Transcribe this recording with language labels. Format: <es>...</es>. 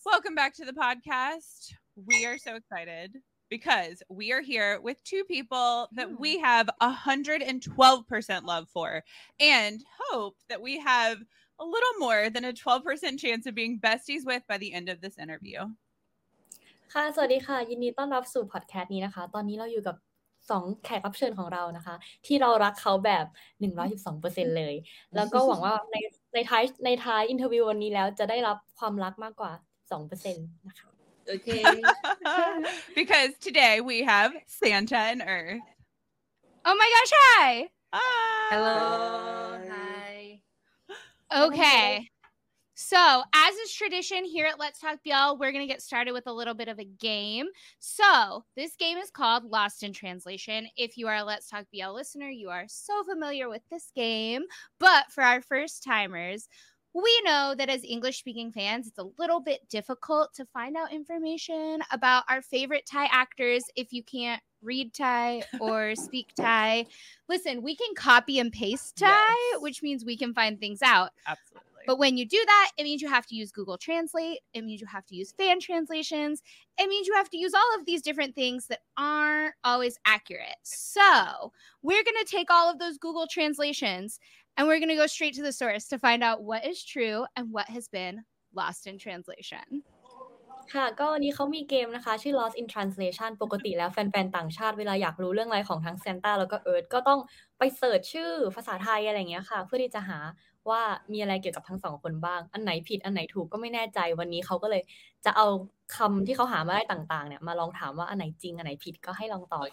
<en>Welcome back to the podcast. We are so excited because we are here with two people that we have 112% love for and hope that we have a little more than a 12% chance of being besties with by the end of this interview.</en> <th>ค่ะสวัสดีค่ะยินดีต้อนรับสู่พอดแคสต์นี้นะคะตอนนี้เราอยู่กับ2แขกรับเชิญของเรานะคะที่เรารักเขาแบบ 112% เลยแล้วก็หวังว่าในท้ายอินเทอร์วิววันนี้แล้วจะได้รับความรักมากกว่า 2% นะคะ</th> <en>Okay. Because today we have Santa and Earth. Oh my gosh, hi! Hi! Hello! Hi! Okay. So, as is tradition here at Let's Talk BL, we're going to get started with a little bit of a game. So, this game is called Lost in Translation. If you are a Let's Talk BL listener, you are so familiar with this game. But for our first timers, we know that as English-speaking fans, it's a little bit difficult to find out information about our favorite Thai actors if you can't read Thai or speak Thai. Listen, we can copy and paste Thai, yes, which means we can find things out. Absolutely. But when you do that, it means you have to use Google Translate. It means you have to use fan translations. It means you have to use all of these different things that aren't always accurate. So we're going to take all of those Google translations and we're going to go straight to the source to find out what is true and what has been lost in translation.</en> <th>ค่ะก็วันนี้เขามีเกมนะคะชื่อ Lost in Translation ปกติแล้วแฟนๆต่างชาติเวลาอยากรู้เรื่องอะไรของทั้งซานต้าแล้วก็เอิร์ธก็ต้องไปเสิร์ชชื่อภาษาไทยอะไรอย่างเงี้ยค่ะเพื่อที่จะหาว่ามีอะไรเกี่ยวกับทั้งสองคนบ้างอันไหนผิดอันไหนถูกก็ไม่แน่ใจวันนี้เขาก็เลยจะเอาคำที่เขาหามาได้ต่างๆเนี่ยมาลองถามว่าอันไหนจริงอันไหนผิดก็ให้ลองตอบ</th>